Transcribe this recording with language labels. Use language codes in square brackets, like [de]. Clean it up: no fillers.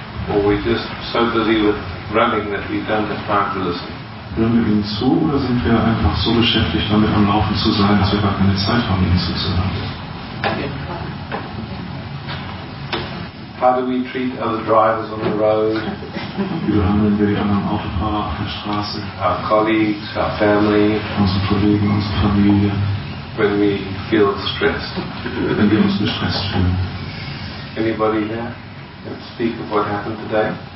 [en] Or are we just so busy with running that we don't have time to listen? [de] Hören wir ihnen zu oder sind wir einfach so beschäftigt damit am Laufen zu sein, dass wir gar keine Zeit haben, ihnen zuzuhören? [en] How do we treat other drivers on the road? [de] Wie behandeln wir die anderen Autofahrer auf der Straße? [en] Our colleagues, our family. [de] Unsere Kollegen, unsere Familie. [en] When we feel stressed. [de] Wenn wir uns gestresst fühlen. [en] Anybody here? Speak of what happened today.